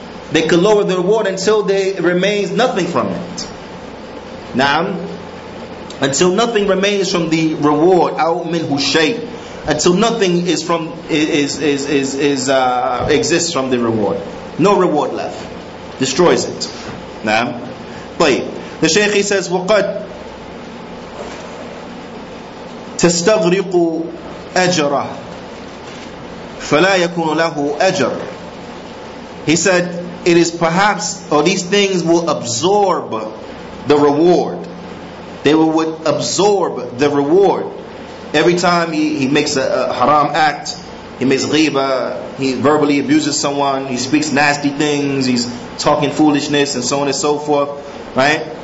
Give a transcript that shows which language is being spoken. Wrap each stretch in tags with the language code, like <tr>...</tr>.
<en>They could lower the reward until there remains nothing from it. Now, until nothing remains from the reward, out minhu shay, until nothing is from exists from the reward, no reward left, destroys it. Now,</en> <ar>طيب,</ar> <en>the Shaykh he says,</en> <ar>وقد تستغرق أجره فلا يكون له أجر.</ar> <en>He said, it is perhaps, or these things will absorb the reward. They would absorb the reward. Every time he makes a haram act, he makes ghiba, he verbally abuses someone, he speaks nasty things, he's talking foolishness and so on and so forth, right?</en>